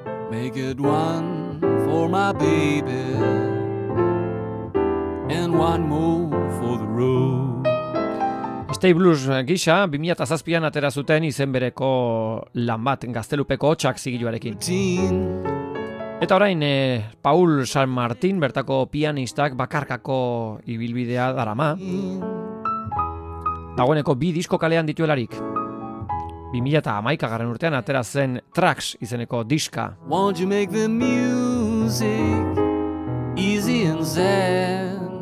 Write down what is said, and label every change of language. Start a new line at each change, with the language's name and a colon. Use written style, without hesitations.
English: Make it one for my baby and one more for the road.
Basque: Stay Blues gisa, 2007an atera zuten izen bereko lan bat Gaztelupeko hotxak zigiluarekin. Eta orain, Paul San Martin, bertako pianistak bakarkako ibilbidea darama. Dagoeneko bi disko kalean dituelarik. 2011garren urtean atera zen Tracks izeneko diska.
English: Won't you make the music easy and sad?